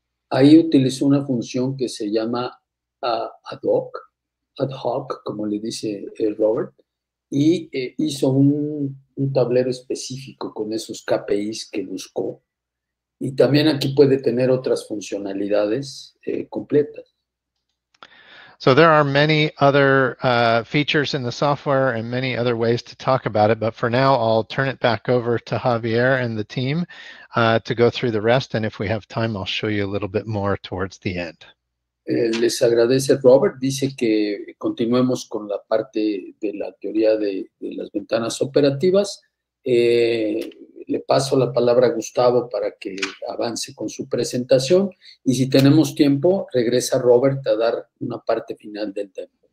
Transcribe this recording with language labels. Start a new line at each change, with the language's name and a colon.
Spanish: Ahí utilizo una función que se llama ad hoc, como le dice Robert, y hizo un tablero específico con esos KPIs que buscó. Y también aquí puede tener otras funcionalidades completas.
English: So there are many other features in the software and many other ways to talk about it. But for now, I'll turn it back over to Javier and the team to go through the rest. And if we have time, I'll show you a little bit more towards the end.
Spanish: Les agradece Robert, dice que continuemos con la parte de la teoría de las ventanas operativas. Le paso la palabra a Gustavo para que avance con su presentación y si tenemos tiempo, regresa Robert a dar una parte final del tema.